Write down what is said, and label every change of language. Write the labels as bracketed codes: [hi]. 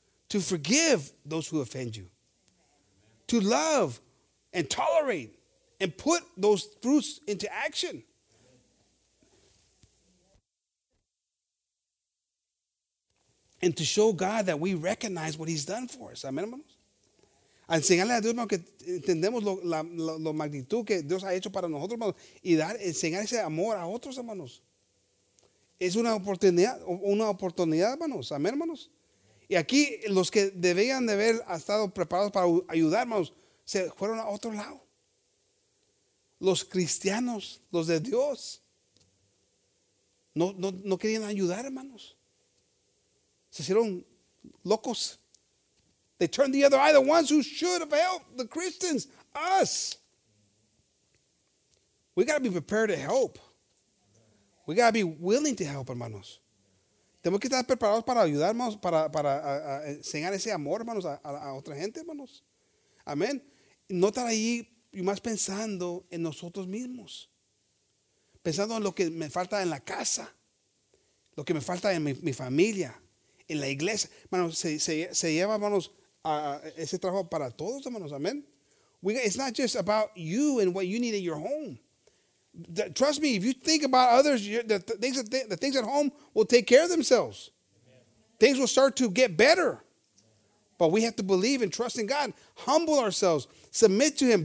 [en] To forgive those who offend you. To love and tolerate and put those fruits into action. And to show God that we recognize what he's done for us. Amen, hermanos. [es] Enseñarle a Dios, hermano, que entendemos la magnitud que Dios ha hecho para nosotros, hermanos. Y dar, enseñar ese amor a otros, hermanos. Es una oportunidad, hermanos. Amén, hermanos. Y aquí los que debían de haber estado preparados para ayudar, hermanos, se fueron a otro lado. Los cristianos, los de Dios, no querían ayudar, hermanos. Se hicieron locos. [en] They turned the other eye, the ones who should have helped, the Christians, us. We got to be prepared to help. We got to be willing to help, hermanos. [es] Tenemos que estar preparados para ayudar, hermanos, para enseñar ese amor, hermanos, a otra gente, hermanos. Amén. No estar ahí más pensando en nosotros mismos. Pensando en lo que me falta en la casa. Lo que me falta en mi familia. En la iglesia. Hermanos, se lleva, hermanos, ese trabajo para todos, hermanos. Amén. [en] It's not just about you and what you need in your home. Trust me, if you think about others, the things at home will take care of themselves. Amen. Things will start to get better. But we have to believe and trust in God. Humble ourselves. Submit to him.